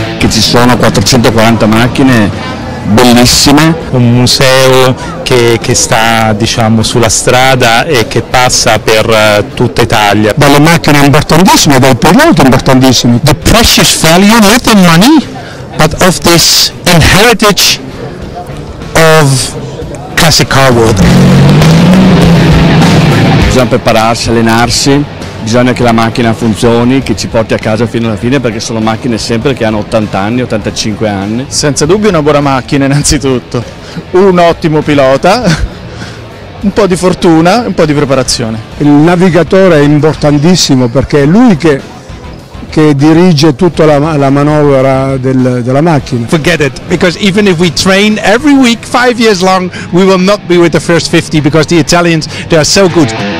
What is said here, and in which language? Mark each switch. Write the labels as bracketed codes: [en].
[it] Ci sono 440 macchine bellissime. Un museo che sta, diciamo, sulla strada e che passa per tutta Italia. Delle macchine importantissime, del periodo importantissimo. [en] The precious value, not in money, but of this inheritance of classic car world. [it] Bisogna prepararsi, allenarsi. Bisogna che la macchina funzioni, che ci porti a casa fino alla fine, perché sono macchine sempre che hanno 80 anni, 85 anni. Senza dubbio una buona macchina innanzitutto, un ottimo pilota, un po' di fortuna, un po' di preparazione. Il navigatore è importantissimo perché è lui che dirige tutta la manovra della macchina. [en] Forget it, because even if we train every week, 5 years long, we will not be with the first 50, because the Italians, they are so good.